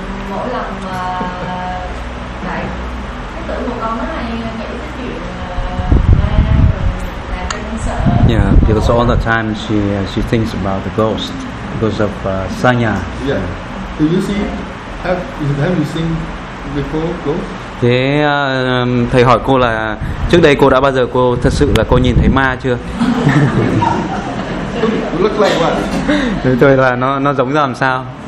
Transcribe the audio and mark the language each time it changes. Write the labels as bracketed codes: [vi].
[vi] Mỗi lần mà lại cái tưởng của con nó hay nghĩ cái chuyện ma rồi là con sợ. [en] Yeah, because all the time she thinks about the ghost because of Sanya. Yeah. Have you seen before ghost? [vi] Thế thầy hỏi cô là trước đây cô đã bao giờ cô thật sự là cô nhìn thấy ma chưa? [en] Look like what? [vi] Thế tôi là nó giống làm sao?